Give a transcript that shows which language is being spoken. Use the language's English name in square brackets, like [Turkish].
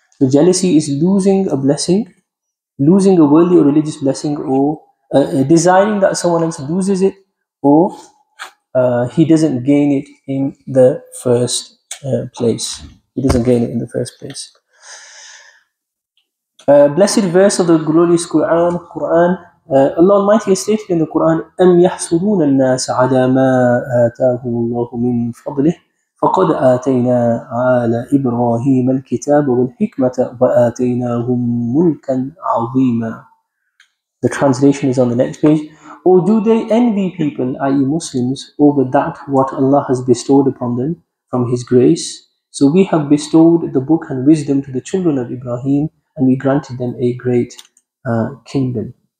[English] So jealousy is losing a blessing, losing a worldly or religious blessing, or desiring that someone else loses it, or he doesn't gain it in the first place. He doesn't gain it in the first place. Blessed verse of the glorious Quran. Allah Almighty has stated in the Quran, [Arabic] أَمْ يَحْسُدُونَ النَّاسَ عَلَى مَا آتَاهُمُ اللَّهُ مِنْ فَضْلِهِ فَقَدْ آتَيْنَا عَلَى إِبْرَاهِيمَ الْكِتَابَ وَالْحِكْمَةَ وَآتَيْنَاهُمْ مُلْكًا عَظِيمًا. [English] The translation is on the next page. Or do they envy people, i.e. Muslims, over that what Allah has bestowed upon them from His grace? So we have bestowed the book and wisdom to the children of Ibrahim, and we granted them a great kingdom.